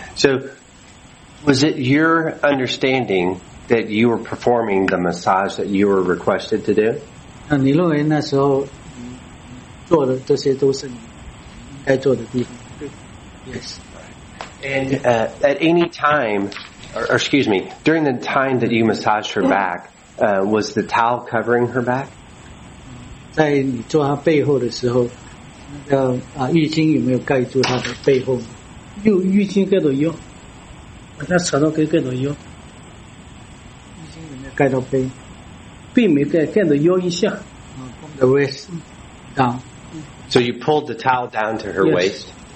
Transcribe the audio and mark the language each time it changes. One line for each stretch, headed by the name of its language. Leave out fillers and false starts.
English: So, was it your understanding that you were performing the massage that you were requested to do?
Chinese: 你认为那时候做的这些都是你该做的地方？对。
English: Yes. And at any time, or excuse me, during the time that you massaged her back, was the towel covering her back?
Chinese: 在你做她背后的时候，浴巾有没有盖住她的背后？浴巾盖到腰，把她扯到盖到腰。盖到背，背没盖，盖到腰以下。
English: The waist down. So you pulled the towel down to her waist.